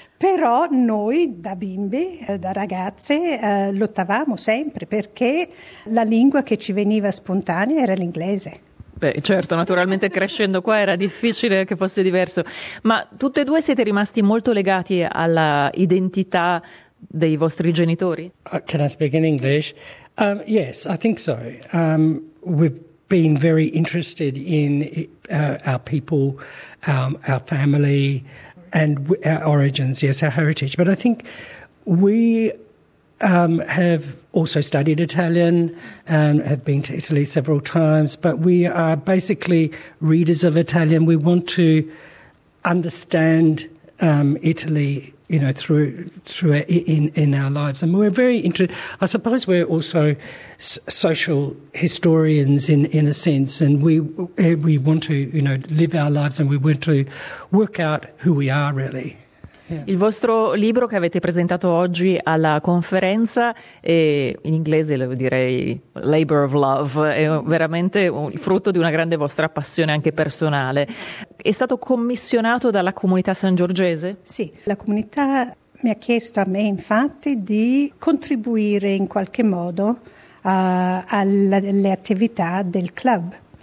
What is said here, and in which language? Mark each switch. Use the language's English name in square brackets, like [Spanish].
[Italian] Però noi da bimbi, da ragazze, lottavamo sempre, perché la lingua che ci veniva spontanea era l'inglese. Beh, certo, naturalmente crescendo qua era difficile che fosse diverso, ma tutte e due siete rimasti molto legati alla identità dei vostri genitori? [English] Can I speak in English? Yes, I think so. We've been very interested in our people, our family and our origins, yes, our heritage, but I think we have also studied Italian and have been to Italy several times, but we are basically readers of Italian. We want to understand Italy, you know, through in our lives. And we're very interested. I suppose we're also social historians in a sense, and we want to, you know, live our lives, and we want to work out who we are really. Yeah. [Italian] Il vostro libro che avete presentato oggi alla conferenza è, in inglese lo direi, Labor of Love, è veramente il frutto di una grande vostra passione anche personale. È stato commissionato dalla comunità sangiorgese? Sì, la comunità mi ha chiesto a me infatti di contribuire in qualche modo alle attività del club.